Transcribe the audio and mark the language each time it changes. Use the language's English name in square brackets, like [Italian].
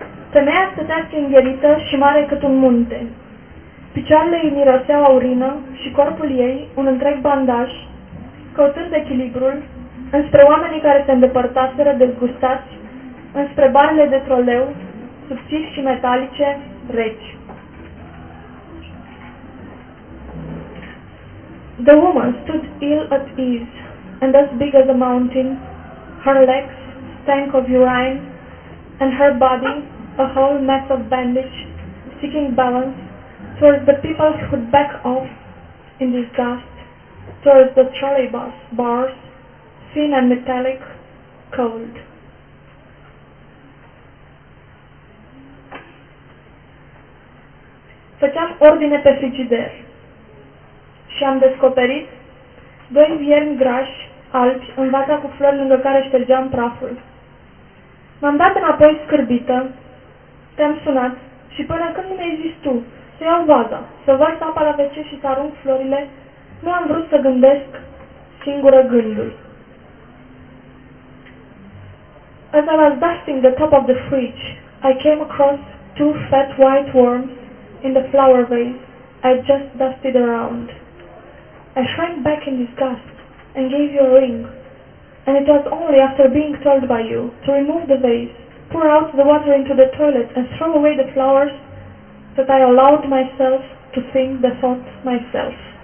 [Romanian] Femeia stătea stingherită și mare cât un munte. Picioarele îi miroseau a urină și corpul ei, un întreg bandaj, căutând echilibrul, înspre oamenii care se îndepărtaseră dezgustați, înspre barele de troleu, subțiri și metalice, reci. [English] The woman stood ill at ease, and as big as a mountain, her legs stank of urine, and her body a whole mess of bandage, seeking balance towards the people who would back off in disgust towards the trolley bus bars, thin and metallic, cold. [Romanian] Făceam ordine pe frigider și am descoperit doi viermi grași, albi, în vaca cu flori lângă care ștergeam praful. M-am dat înapoi scârbită. Te-am sunat și până când mi-ai zis tu să iau vaza, să vărs apa la WC și să arunc florile, nu am vrut să gândesc singură gândul. [English] As I was dusting the top of the fridge, I came across two fat white worms in the flower vase I just dusted around. I shrank back in disgust and gave you a ring, and it was only after being told by you to remove the vase, pour out the water into the toilet and throw away the flowers that I allowed myself to think the thought myself.